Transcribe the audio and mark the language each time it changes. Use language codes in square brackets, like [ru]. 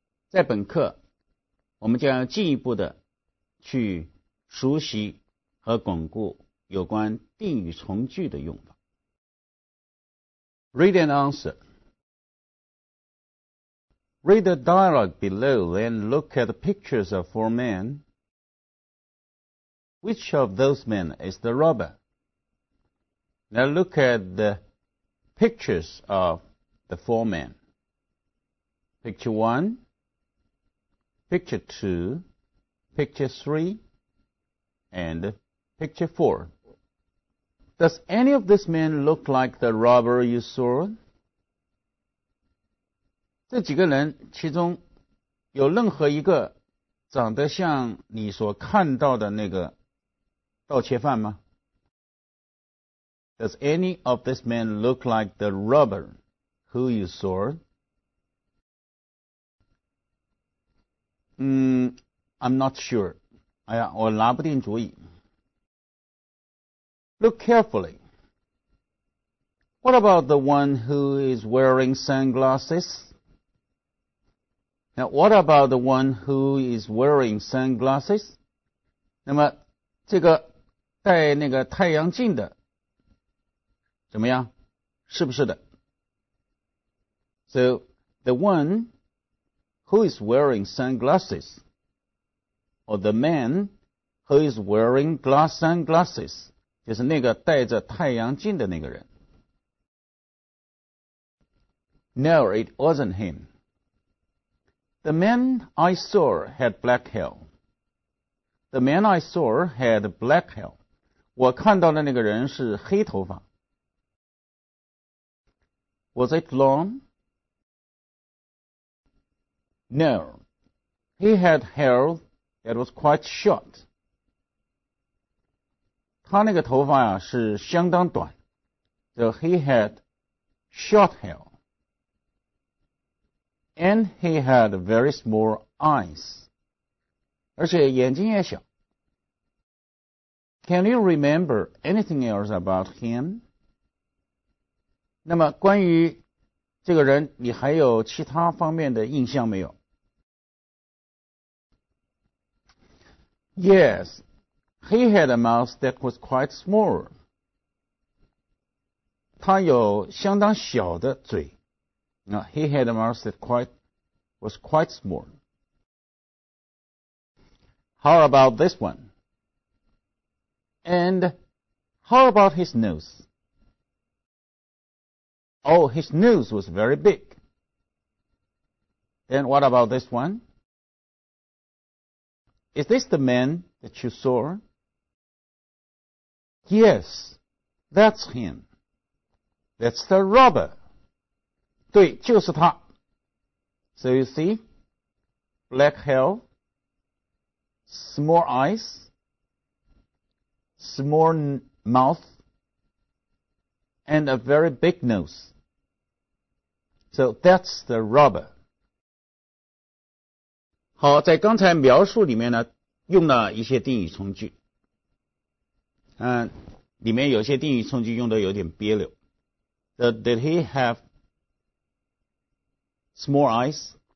[zh] 在本课，我们将要进一步的去熟悉和巩固有关定语从句的用法。 [en] Read and answer. Read the dialogue below, then look at the pictures of four men. Which of those men is the robber? Now look at the pictures of the four men. Picture 1, picture 2, picture 3, and picture 4. Does any of these men look like the robber you saw? [zh] 这几个人其中有任何一个长得像你所看到的那个盗窃犯吗？ [en] Does any of these men look like the robber who you saw? I'm not sure. [zh] 哎呀，我拿不定主意。 [en] Look carefully. What about the one who is wearing sunglasses? Now, what about the one who is wearing sunglasses? [zh] 那么，这个戴那个太阳镜的怎么样？是不是的？ [en] So, the one who is wearing sunglasses, or the man who is wearing glass sunglasses, [zh] 就是那个戴着太阳镜的那个人。 [en] No, it wasn't him. The man I saw had black hair. The man I saw had black hair. [zh] 我看到的那个人是黑头发。 [en] Was it long? No. He had hair that was quite short. [zh] 他那个头发呀是相当短。 [en] So he had short hair. And he had very small eyes. [zh] 而且眼睛也小。 [en] Can you remember anything else about him? [zh] 那么关于这个人你还有其他方面的印象没有？ [en] Yes, he had a mouth that was quite small. [zh] 他有相当小的嘴。 [en] No, he had a mouth that was quite small. How about this one? And how about his nose? Oh, his nose was very big. Then what about this one? Is this the man that you saw? Yes, that's him. That's the robber. [zh] 对，就是他。 [en] So you see, black hair, small eyes, small mouth, and a very big nose. So that's the robber. [zh] 好，在刚才描述里面呢，用了一些定语从句。里面有些定语从句用的有点别扭。 [en] Did he have small eyes?